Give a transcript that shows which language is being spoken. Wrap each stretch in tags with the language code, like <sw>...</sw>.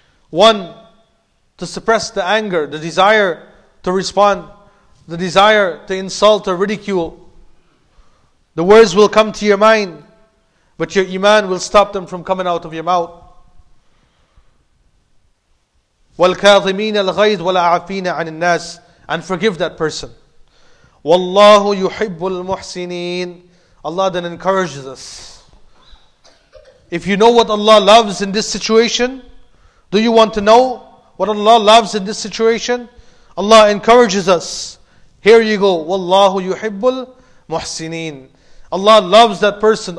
<en>One, to suppress the anger, the desire to respond, the desire to insult or ridicule. The words will come to your mind, but your iman will stop them from coming out of your mouth.</en> <ar>وَالْكَاظِمِينَ الْغَيْضِ وَلَعَافِينَ عَنِ النَّاسِ</ar> <en>And forgive that person.</en> <ar>وَاللَّهُ يُحِبُّ الْمُحْسِنِينَ</ar> <en>Allah then encourages us. If you know what Allah loves in this situation, do you want to know what Allah loves in this situation? Allah encourages us. Here you go.</en> <ar>وَاللَّهُ يُحِبُّ الْمُحْسِنِينَ</ar> <en>Allah loves that person.</en>